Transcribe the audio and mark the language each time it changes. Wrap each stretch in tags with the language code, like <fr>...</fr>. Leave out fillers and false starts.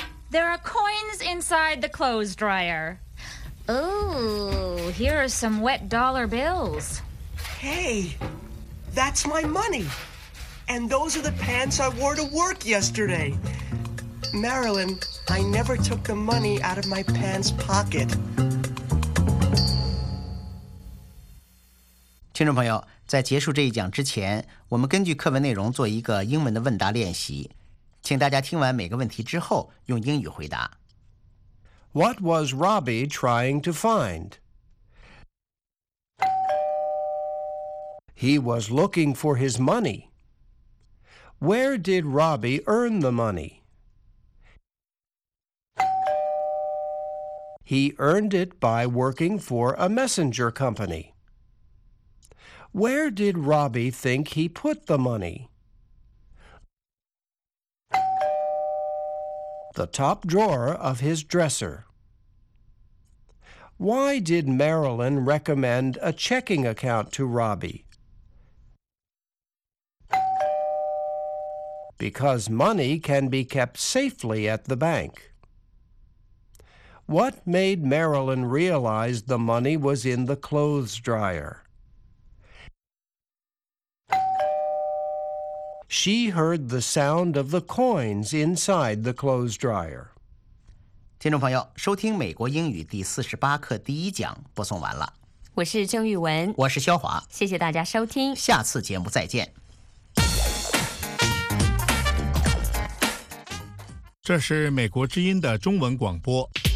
<en>There are coins inside the clothes dryer. Ooh, here are some wet dollar bills. Hey, that's my money. And those are the pants I wore to work yesterday. Marilyn, I never took the money out of my pants pocket.</en> <zh>听众朋友，在结束这一讲之前，我们根据课文内容做一个英文的问答练习，请大家听完每个问题之后用英语回答。</zh> <en>What was Robbie trying to find? He was looking for his money. Where did Robbie earn the money? He earned it by working for a messenger company. Where did Robbie think he put the money? The top drawer of his dresser. Why did Marilyn recommend a checking account to Robbie? Because money can be kept safely at the bank. What made Marilyn realize the money was in the clothes dryer? She heard the sound of the coins inside the clothes dryer.</en> <zh>听众朋友，收听美国英语第48课第一讲播送完了。我是郑玉文，我是肖华，谢谢大家收听，下次节目再见。这是美国之音的中文广播。</zh>